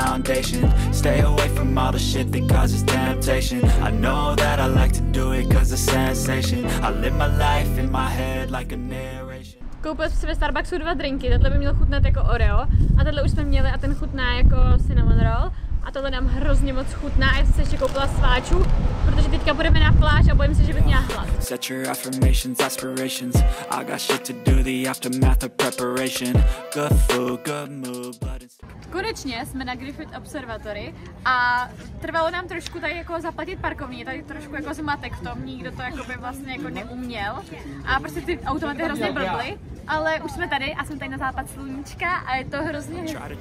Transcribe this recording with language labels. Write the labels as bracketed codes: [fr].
[en] Stay away from all the shit that causes temptation. I know that I like to do it cause it's sensation. I live my life in my head like a narration. [cs] Koupil jsem si ve Starbucksu dva drinky, tohle by měl chutnat jako Oreo a tohle už jsme měli a ten chutná jako cinnamon roll. A tohle nám hrozně moc chutná, já jsem se ještě koupila sváčů, protože teďka budeme na pláž a bojím se, že bych měla hlad. [en] Set your affirmations, aspirations, I got shit to do, the aftermath of preparation, good food, good mood, but it's... [cs] Konečně jsme na Griffith Observatory a trvalo nám trošku tady jako zaplatit parkovní, tady trošku jako zmatek v tom, nikdo to jako by vlastně jako neuměl a prostě ty automaty hrozně blbly. ale už jsme tady a jsme tady na západ sluníčka a je to hrozně hezký.